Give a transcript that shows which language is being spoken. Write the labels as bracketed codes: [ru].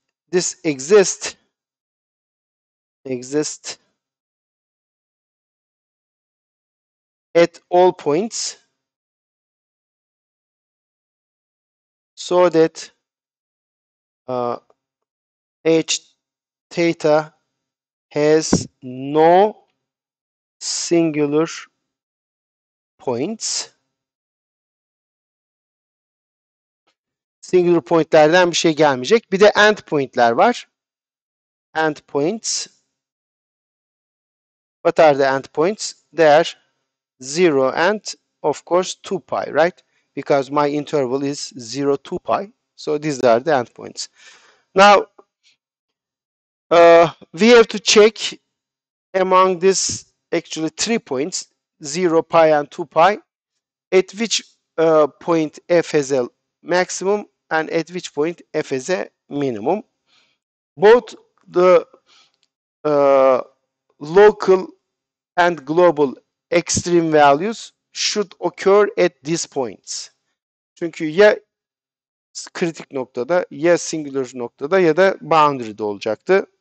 [en] This exists at all points so that h theta has no singular points. [tr] Singular pointlerden bir şey gelmeyecek. Bir de end pointler var. [en] endpoints. What are the endpoints? They are 0 and of course 2 pi, right? Because my interval is 0, 2 pi. So these are the endpoints. Now, we have to check among this actually 3 points, 0, pi and 2 pi, at which point f has a maximum and at which point f has a minimum. Both the local and global extreme values should occur at these points. [tr] Çünkü ya kritik noktada ya singular noktada ya da boundary'de olacaktı.